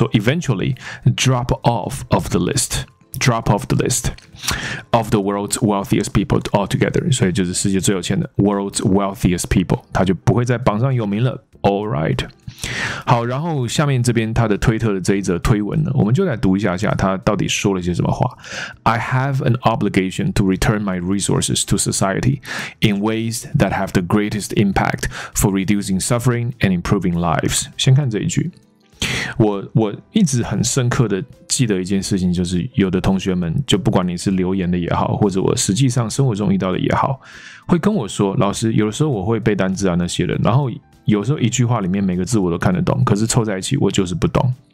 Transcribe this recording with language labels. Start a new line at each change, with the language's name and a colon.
English: So eventually drop off of the list， drop off the list of the world's wealthiest people altogether，
Chinese: 所以就是世界最有钱的
English: world's wealthiest people，
Chinese: 他就不会在榜上有名了。 All right， 好，然后下面这边他的推特的这一则推文呢，我们就来读一下下他到底说了些什么话。
English: I have an obligation to return my resources to society in ways that have the greatest impact for reducing suffering and improving lives。
Chinese: 先看这一句，我一直很深刻的记得一件事情，就是有的同学们，就不管你是留言的也好，或者我实际上生活中遇到的也好，会跟我说，老师，有时候我会背单字啊那些的，然后有时候一句话里面每个字我都看得懂，可是凑在一起我就是不懂。